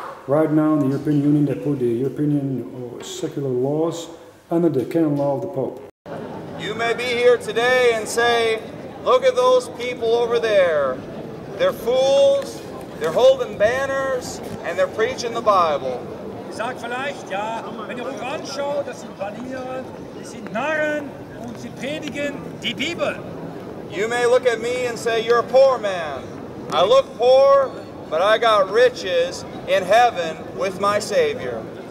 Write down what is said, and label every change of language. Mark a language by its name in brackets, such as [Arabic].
[English] Right now, in the European Union, they put the European secular laws under the canon law of the Pope. You may be here today and say, look at those people over there. They're fools, they're holding banners, and they're preaching the Bible. [German] Ich sag vielleicht, ja, wenn ihr euch anschaut, das sind Banieren, das sind Narren. [English] You may look at me and say, you're a poor man. I look poor, but I got riches in heaven with my Savior.